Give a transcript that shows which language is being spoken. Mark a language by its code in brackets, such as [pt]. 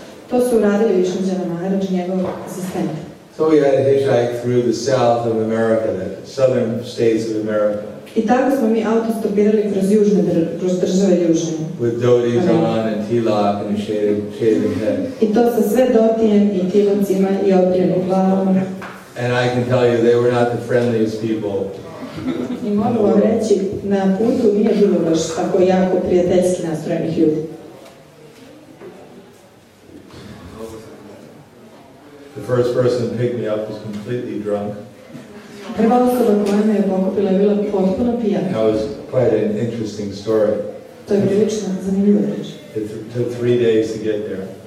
[sr] To su uradili Višnjana Maharaj i njegov asistent. [en] So we had a hitchhike through the south of America, the southern states of America. [sr] I tako smo mi autostopirali kroz južne države južne. [en] With dotis on and tilak and a shaving head. [sr] I to sa sve dotijem i tilacima i oprijenim glavama. [en] And I can tell you, they were not the friendliest people. [sr] I mogu vam reći, na putu nije bilo baš tako jako prijateljski nastrojenih ljudi. [en] The first person who picked me up was completely drunk. [sr] Prva osoba koja me je pokupila je bila potpuno pijana. [en] That was quite an interesting story. [sr] To je prilično zanimljiva reč. [en] It took 3 days to get there.